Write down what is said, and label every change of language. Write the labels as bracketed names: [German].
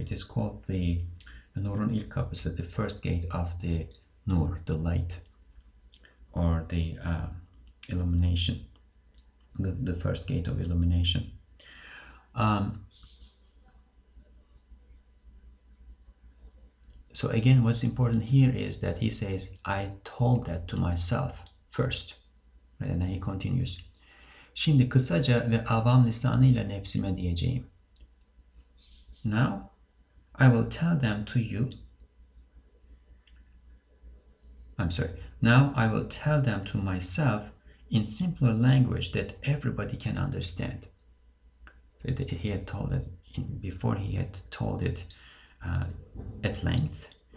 [English] It is called the Nurun İlk Kapısı, the first gate of the Nur, the light, or the illumination, the first gate of illumination. So again, what's important here is that he says, I told that to myself first. And then he continues. [Turkish] Şimdi kısaca ve avam lisanıyla nefsime diyeceğim. [English] Now, I will tell them to you. I'm sorry. Now, I will tell them to myself in simpler language that everybody can understand. So he had told it before, he had told it at length.